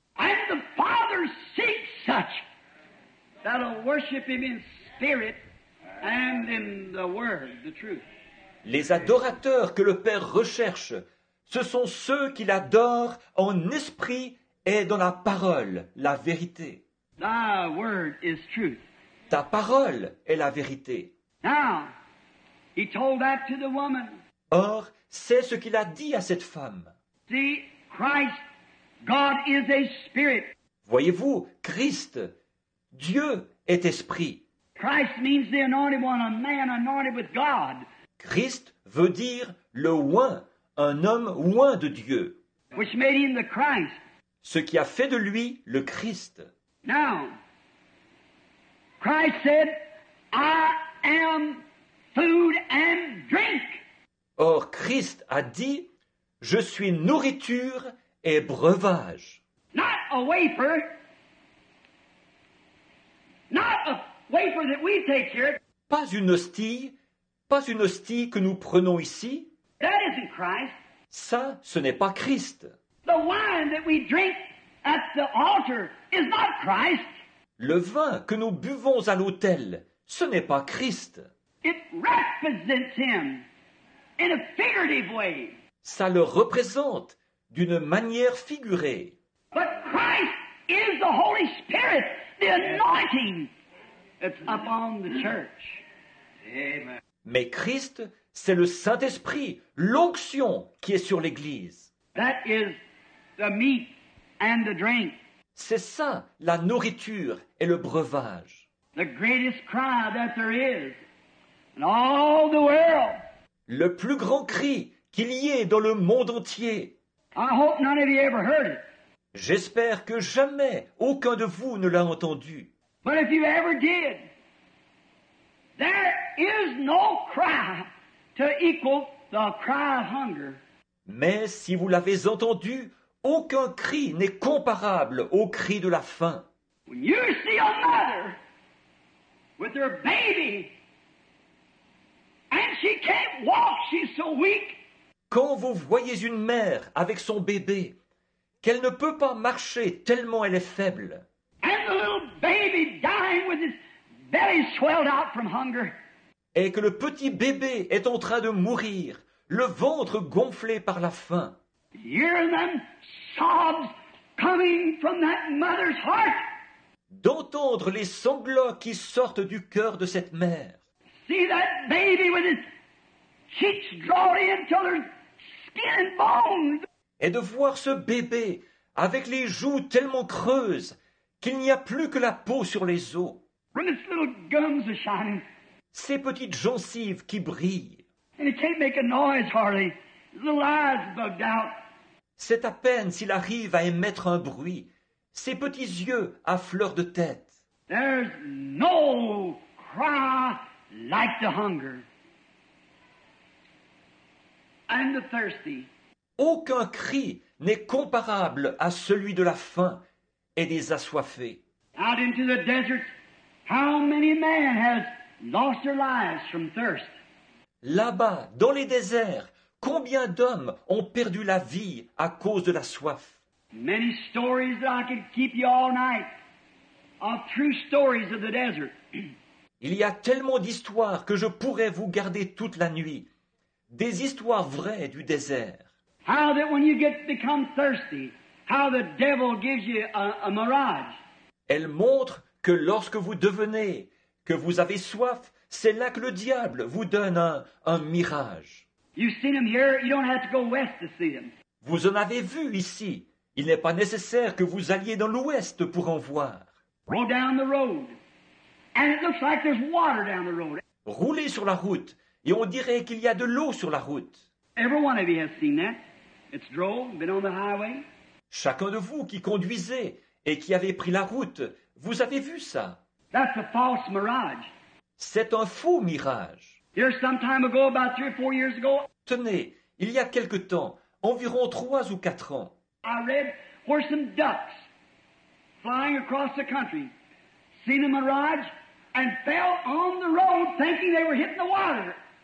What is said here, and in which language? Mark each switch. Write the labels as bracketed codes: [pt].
[en] And the Father seeks such that will worship him in spirit and in the word, the truth. [fr] Les adorateurs que le Père recherche, ce sont ceux qu'il adore en esprit et dans la parole, la vérité. [en] My word is truth. [fr] Ta parole est la vérité. [en] Now, he told that to the woman. [fr] Or, c'est ce qu'il a dit à cette femme. [en] See, Christ, God is a spirit. [fr] Voyez-vous, Christ, Dieu est esprit. [en] Christ means the anointed one, a man anointed with God. [fr] Christ veut dire le oint, un homme oint de Dieu. [en] Which made him the Christ. [fr] Ce qui a fait de lui le Christ. [en] Now, Christ said, I am food and drink. [fr] Or, Christ a dit, je suis nourriture et breuvage. [en] Not a wafer. Not a wafer that we take here. [fr] Pas une hostie que nous prenons ici. [en] That isn't Christ. [fr] Ça, ce n'est pas Christ. [en] The wine that we drink at the altar is not Christ. [fr] Le vin que nous buvons à l'autel, ce n'est pas Christ. [en] It represents him in a figurative way. [fr] Ça le représente d'une manière figurée. [en] But Christ is the Holy Spirit, the anointing that's upon the church. Amen. [fr] Mais Christ, c'est le Saint-Esprit, l'onction qui est sur l'Église. [en] That is the meat and the drink. [fr] C'est ça, la nourriture et le breuvage. [en] The greatest cry that there is in all the world. [fr] Le plus grand cri qu'il y ait dans le monde entier. [en] I hope none of you ever heard it. [fr] J'espère que jamais aucun de vous ne l'a entendu. [en] But if you ever did, There is no cry to equal the cry of hunger. [fr] Mais si vous l'avez entendu, aucun cri n'est comparable au cri de la faim. [en] When you see a mother with her baby and she can't walk, she's so weak. [fr] Quand vous voyez une mère avec son bébé, qu'elle ne peut pas marcher tellement elle est faible. [en] And the little baby dying with his belly swelled out from hunger. [fr] Et que le petit bébé est en train de mourir, le ventre gonflé par la faim. [en] Hear them sobs coming from that mother's heart. [fr] D'entendre les sanglots qui sortent du cœur de cette mère. [en] See that baby with his cheeks drawn in till her skin and bones. [fr] Et de voir ce bébé avec les joues tellement creuses qu'il n'y a plus que la peau sur les os. [en] When his little gums are shining. [fr] Ses petites gencives qui brillent. [en] And he can't make a noise hardly. His little eyes bugged out. [fr] C'est à peine s'il arrive à émettre un bruit. Ses petits yeux à fleur de tête. [en] There's no cry like the hunger. And the thirsty. [fr] Aucun cri n'est comparable à celui de la faim et des assoiffés. [en] Out into the desert, how many men have lost their lives from thirst? [fr] Là-bas, dans les déserts, combien d'hommes ont perdu la vie à cause de la soif? [en] Many stories that I could keep you all night of true stories of the desert. [fr] Il y a tellement d'histoires que je pourrais vous garder toute la nuit, des histoires vraies du désert. [en] How that when you get become thirsty, how the devil gives you a mirage. [fr] Elle montre que lorsque vous devenez, que vous avez soif, c'est là que le diable vous donne un mirage. [en] You've seen him here, you don't have to go west to see him. [fr] Vous en avez vu ici. Il n'est pas nécessaire que vous alliez dans l'ouest pour en voir. [en] Roll down the road, and it looks like there's water down the road. [fr] Roulez sur la route, et on dirait qu'il y a de l'eau sur la route. [en] Every one of you has seen that. It's drove, been on the highway. [fr] Chacun de vous qui conduisez et qui avez pris la route, vous avez vu ça. [en] That's a false mirage. [fr] C'est un faux mirage. [en] Here some time ago, about 3 or 4 years ago. [fr] Tenez, il y a quelque temps, environ 3 ou 4 ans. [en] I read where some ducks flying across the country seen a mirage and fell on the road thinking they were hitting the water.